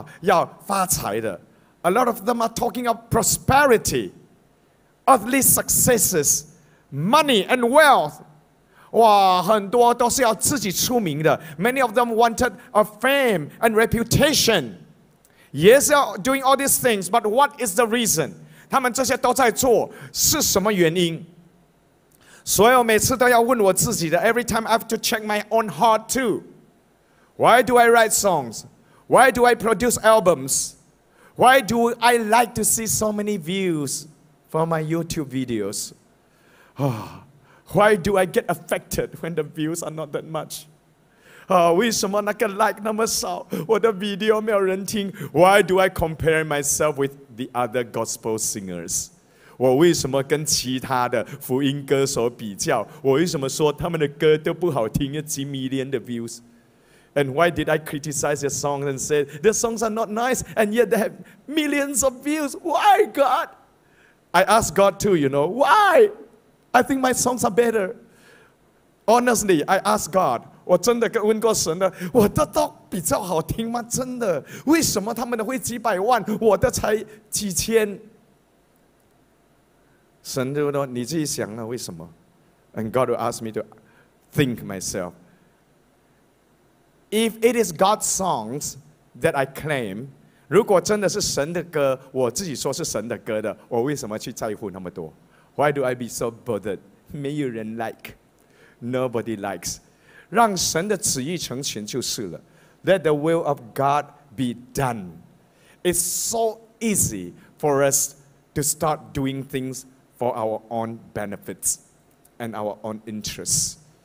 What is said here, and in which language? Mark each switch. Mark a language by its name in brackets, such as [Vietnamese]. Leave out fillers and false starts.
[Chinese] 很多讲的都是赚钱的，哇，要发财的。 [English] A lot of them are talking of prosperity, earthly successes, money and wealth. [Chinese] 哇，很多都是要自己出名的。 [English] Many of them wanted a fame and reputation. Yes, they are doing all these things, but what is the reason? [Chinese] 他们这些都在做，是什么原因？所以我每次都要问我自己的， [English] every time I have to check my own heart too. Why do I write songs? Why do I produce albums? Why do I like to see so many views for my YouTube videos? Oh, why do I get affected when the views are not that much? [Chinese] 为什么那个like那么少?我的video没有人听? [English] Why do I compare myself with the other gospel singers? [Chinese] 我为什么跟其他的福音歌手比较? 我为什么说他们的歌都不好听? 有几million的views? [English] And why did I criticize their songs and say, their songs are not nice, and yet they have millions of views? Why, God? I asked God too, you know, why? I think my songs are better. Honestly, I asked God, [Chinese] 我真的问过神的，我的都比较好听吗？真的，为什么他们的会几百万，我的才几千？神就说你自己想了，为什么？ [English] And God will ask me to think myself. If it is God's songs that I claim, [Chinese] 如果真的是神的歌，我自己说是神的歌的，我为什么去在乎那么多？ [English] Why do I be so bothered? [Chinese] 没有人 [English] like, nobody likes. [Chinese] 让神的旨意成全就是了。 [English] Let the will of God be done. It's so easy for us to start doing things for our own benefits and our own interests.